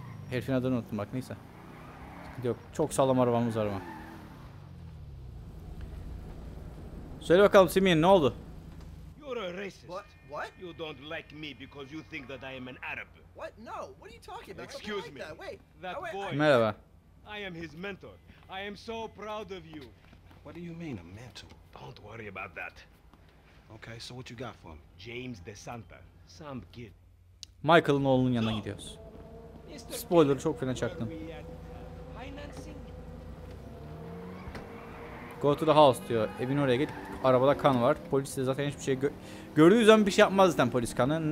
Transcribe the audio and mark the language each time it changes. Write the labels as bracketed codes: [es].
[tr] Herifin adını unuttum bak, neyse. Yok, çok sağlam arabamız var ama. Söyle bakalım Simeon, ne oldu? [en] You're a racist. What? You don't like me because you think that I am an Arab. What? No. What are you talking about? Excuse me. That boy. [tr] Merhaba. [en] I am his mentor. I am so proud of you. What do you mean a mentor? Don't worry about that. Okay, so what you got for him? James DeSanta. Some kid. [tr] Michael'ın oğlunun yanına gidiyoruz. Spoiler, çok fena çaktım. [en] Financing. Go to the house [tr] diyor. Evin oraya git. Arabada kan var. Polis de zaten hiçbir şey gördüğü zaman bir şey yapmaz zaten polis kanı.